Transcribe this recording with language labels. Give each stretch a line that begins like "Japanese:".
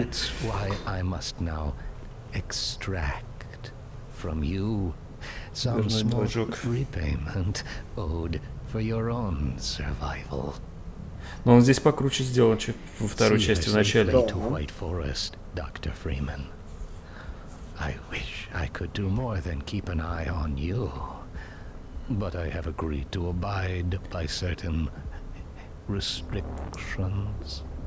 English: That's why I must now extract from you some small repayment owed for your own survival.
Russian: Но он здесь покруче сделан, чем во второй части в начале.
English: White Forest, Dr. Freeman. I wish I could do more than keep an eye on you, but I have agreed to abide by certain restrictions.